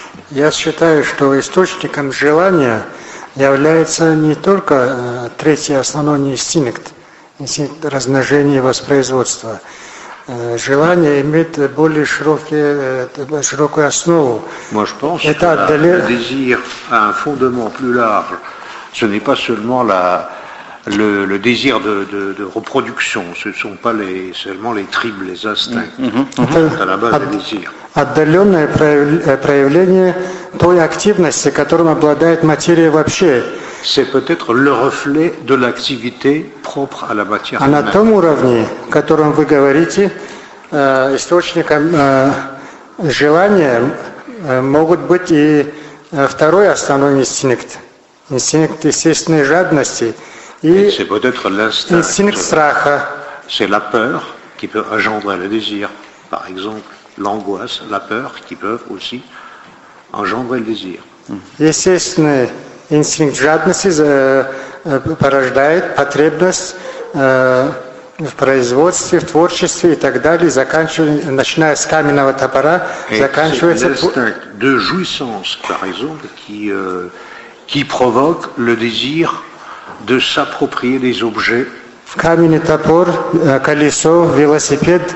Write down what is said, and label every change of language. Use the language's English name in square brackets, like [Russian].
[Russian] Я считаю, что источником желания является не только третий основной инстинкт размножения и воспроизводства. Желание имеет более широкую основу. [French] Moi, je pense [Russian] это отдаление. [French] Le désir a un fondement plus large. Ce n'est pas seulement la le désir de reproduction. Ce ne sont pas seulement les tribus, les instincts. C'est à la base des désirs. [Russian] Отдаленное проявление той активности, которым обладает материя вообще. [French] C'est peut-être le reflet de l'activité propre à la matière. [Russian] А на том уровне, о котором вы говорите, источником желания могут быть и второй основной инстинкт. Инстинкт естественной жадности и инстинкт страха. [French] C'est la peur qui peut engendrer le désir, par exemple. L'angoisse, la peur, qui peuvent aussi engendrer le désir. [Russian] Естественный инстинкт жадности порождает потребность в производстве, в творчестве и так далее, начиная с каменного топора, заканчивается... [French] C'est l'instinct de jouissance, par exemple, qui provoque le désir de s'approprier des objets. [Russian] В каменный топор, колесо, велосипед...